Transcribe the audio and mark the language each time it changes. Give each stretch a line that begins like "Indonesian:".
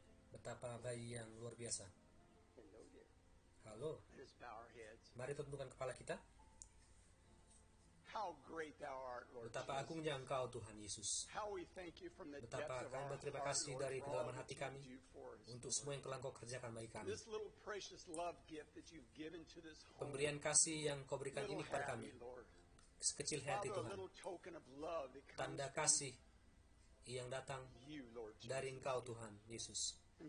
Indonesian: Betapa bayi yang luar biasa.
English: Hello.
Indonesian: Mari tundukkan kepala kita.
English: How great thou art, Lord.
Indonesian: Betapa agungnya Engkau Tuhan Yesus.
English: How we thank you from the depths of our hearts.
Indonesian: Betapa terima kasih dari kedalaman hati kami untuk semua yang telah Engkau kerjakan bagi kami.
English: This little precious love gift that you've given to this home.
Indonesian: Pemberian kasih yang Kau berikan ini kepada kami. Sekecil hati Tuhan. Tanda kasih yang datang dari Engkau Tuhan Yesus.